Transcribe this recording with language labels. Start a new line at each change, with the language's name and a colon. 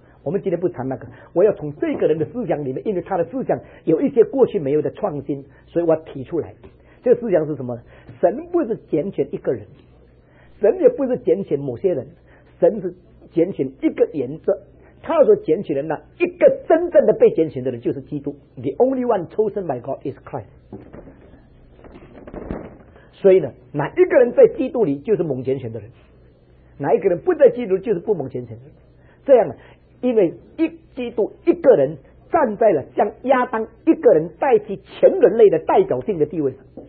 Chinese: 我们今天不谈那个，我要从这个人的思想里面，因为他的思想有一些过去没有的创新，所以我提出来。这个思想是什么？神不是拣选一个人，神也不是拣选某些人，神是拣选一个原则。他所拣选的那一个真正的被拣选的人就是基督。
English: The only one chosen by God is Christ。
Chinese: 所以呢，哪一个人在基督里就是蒙拣选的人，哪一个人不在基督就是不蒙拣选的人。这样呢，因为一基督一个人站在了像亚当一个人代替全人类的代表性的地位上。